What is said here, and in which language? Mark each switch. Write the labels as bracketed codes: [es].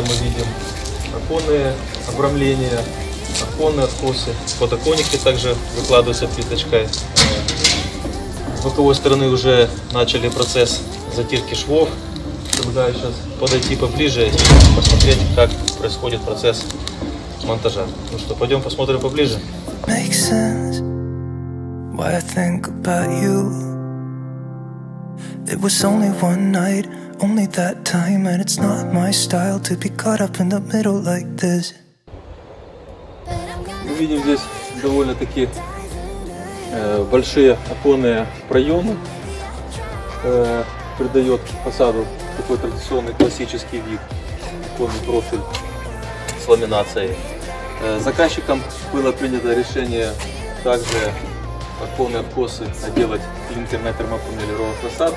[ru] Мы видим оконные обрамления, оконные откосы, подоконники также выкладываются плиточкой. С боковой стороны уже начали процесс затирки швов. Предлагаю сейчас подойти поближе и посмотреть, как происходит процесс монтажа. Ну что, пойдем посмотрим поближе. [en] Makes sense why I think about you. It was only one night, only that time, and it's not my style to be caught up in the middle like this. [ru] Мы видим здесь довольно-таки большие оконные проемы. Придает фасаду такой традиционный классический вид, оконный профиль с ламинацией. Заказчикам было принято решение также оконные откосы отделать клинкерной термопанели Royal Facade.